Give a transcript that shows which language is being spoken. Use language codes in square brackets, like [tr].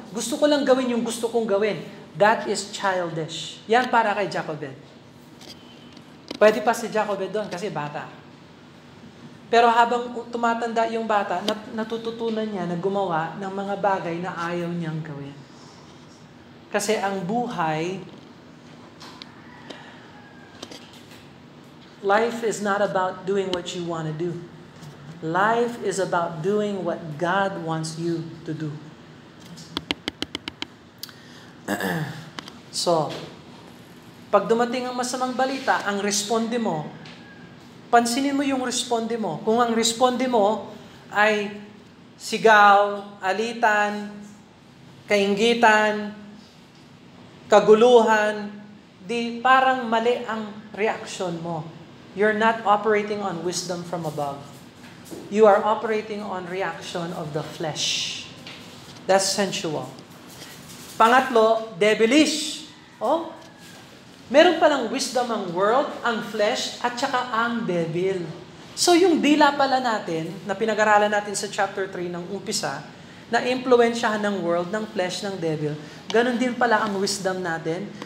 [tl] Gusto ko lang gawin yung gusto kong gawin. [en] That is childish. [tl] Yan para kay Jacobed. Pwede pa si Jacobed doon kasi bata. Pero habang tumatanda yung bata, natututunan niya na gumawa ng mga bagay na ayaw niyang gawin. Kasi ang buhay, [en] life is not about doing what you want to do. Life is about doing what God wants you to do. [tl] So, pag dumating ang masamang balita, ang responde mo, pansinin mo yung responde mo. Kung ang responde mo ay sigaw, alitan, kaingitan, kaguluhan, di parang mali ang reaction mo. [en] You're not operating on wisdom from above. You are operating on reaction of the flesh. That's sensual. Pangatlo, devilish. [tl] Oh, meron palang wisdom ang world, ang flesh, at saka ang devil. So yung dila pala natin, na pinag-aralan natin sa chapter 3 ng umpisa, na impluensyahan ng world, ng flesh, ng devil, ganun din pala ang wisdom natin.